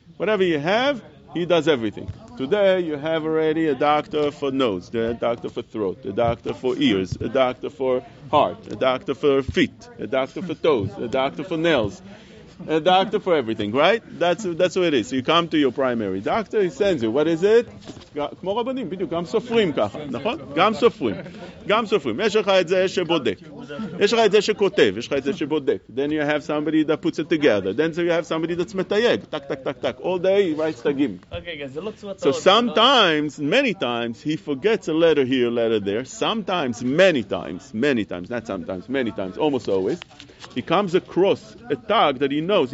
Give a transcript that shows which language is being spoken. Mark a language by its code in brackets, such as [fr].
[en] Whatever you have, he does everything. Today, you have already a doctor for nose, a doctor for throat, a doctor for ears, a doctor for heart, a doctor for feet, a doctor for toes, a doctor for nails, a doctor for everything, right? That's what it is. So you come to your primary doctor, he sends you. What is it? [he] כמו רבנים, בדיוק, גם סופרים ככה, נכון? גם סופרים. גם סופרים. יש לך את זה שבודק. יש לך את זה שכותב, יש לך את זה שבודק. [en] Then you have somebody that puts it together. Then you have somebody that's מתייג. טק, טק, טק, טק. All day he writes תגים. So sometimes, many times, he forgets a letter here, a letter there. Sometimes, many times, almost always, he comes across a tag that he knows.